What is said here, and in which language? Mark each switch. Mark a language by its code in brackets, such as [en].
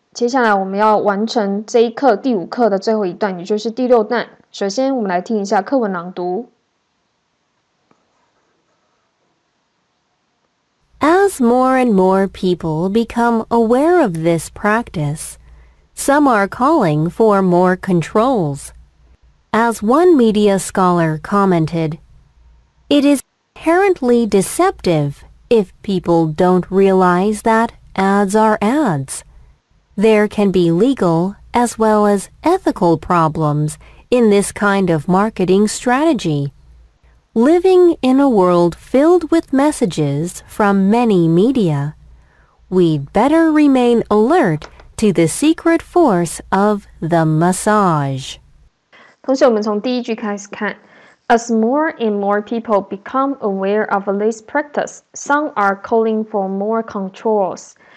[zh] 接下来我们要完成这一课第五课的最后一段，也就是第六段。首先，我们来听一下课文朗读。 [en] As more and more people become aware of this practice, some are calling for more controls. As one media scholar commented, "It is inherently deceptive if people don't realize that ads are ads. There can be legal as well as ethical problems in this kind of marketing strategy. Living in a world filled with messages from many media, we'd better remain alert to the secret force of the massage." [zh] 同学，我们从第一句开始看。 [en] As more and more people become aware of this practice, some are calling for more controls.